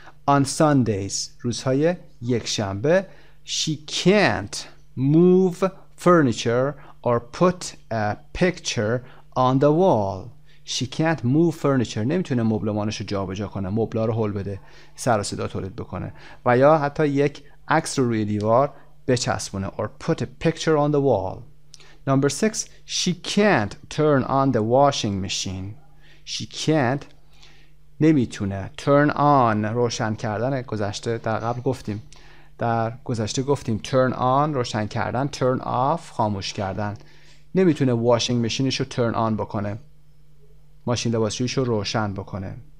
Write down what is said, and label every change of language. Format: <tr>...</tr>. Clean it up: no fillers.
<en>On Sundays،</en> <fa>روزهای یک شنبه،</fa> <en>she can't move furniture or put a picture on the wall. She can't move furniture.</en> <fa>نمیتونه مبلمانش رو جابجا کنه، مبلا رو هل بده، سر و صدا تولید بکنه، و یا حتی یک عکس رو روی دیوار بچسبونه.</fa> <en>Or put a picture on the wall. Number six, she can't turn on the washing machine. She can't.</en> <fa>نمیتونه. Turn on، روشن کردن، گذشته در قبل گفتیم. در گذشته گفتیم turn on، روشن کردن، turn off، خاموش کردن. نمیتونه washing machine شو turn on بکنه، ماشین لباسشویش رو روشن بکنه.</fa>